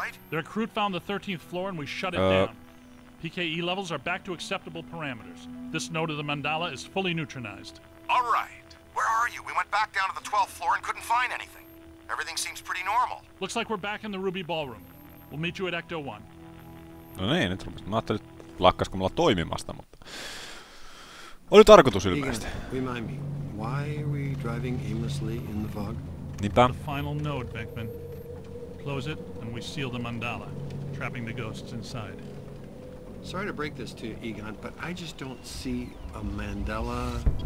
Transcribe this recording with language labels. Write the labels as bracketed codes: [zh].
[en] The recruit found the 13th floor and we shut it down. PKE levels are back to acceptable parameters. This node of the mandala is fully neutronized. All right. Where are you? We went back down to the 12th floor and couldn't find anything. Everything seems pretty normal. Looks like we're back in the Ruby Ballroom. We'll meet you at Ecto 1. [fi] No niin, nyt rupesin. Mä ajattelin, että lakkaisiko mulla toimimasta, mutta... Oli tarkoitus ilmeisesti. [en] Remind me. Why are we driving aimlessly in the fog? [fi] Niinpä. [en] The final node, Beckman. Close it, and we seal the mandala, trapping the ghosts inside. Sorry to break this to you, Egon, but I just don't see a mandala...